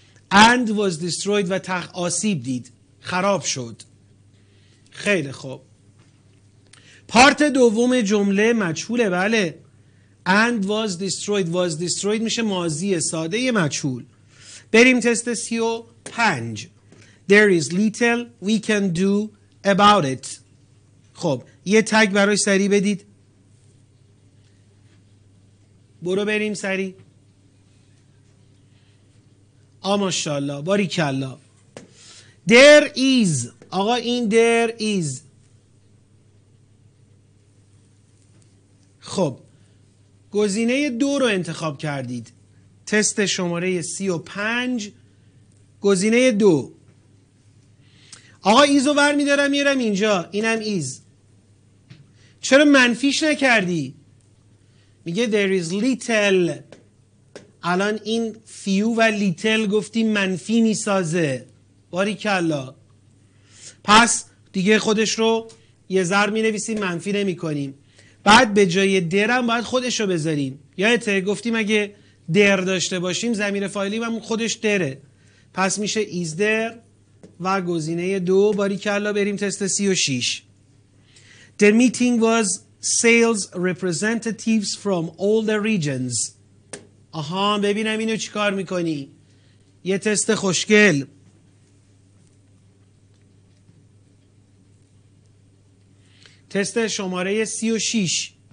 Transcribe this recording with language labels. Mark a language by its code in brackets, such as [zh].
[en] and was destroyed [fa] و تخت آسیب دید، خراب شد. خیلی خوب، پارت دوم جمله مجهوله. بله [en] and was destroyed, was destroyed [fa] میشه ماضی ساده مجهول. بریم تست 35. [en] There is little we can do about it. [fa] خب یه تگ برای سری بدید، برو بریم سری. آماشالله، باریکلا. [en] There is، [fa] آقا این [en] there is. [fa] خب گزینه دو رو انتخاب کردید. تست شماره 35 گزینه دو. آقا ایز رو ور میدارم میرم اینجا، اینم ایز. چرا منفیش نکردی؟ میگه [en] there is little، [fa] الان این فیو و لیتل گفتی منفی میسازه، باریکلا. پس دیگه خودش رو یه ذر می نویسیم، منفی نمی کنیم. بعد به جای درم باید خودش رو بذاریم. یادت گفتیم اگه در داشته باشیم ضمیر فاعلی هم خودش دره، پس میشه [en] is there. [fa] و گزینه دو، باریکلا. بریم تست 36. [en] The meeting was sales representatives from all the regions. [fa] آها ببینم اینو چی کار میکنی، یه تست خوشگل. تست شماره 36.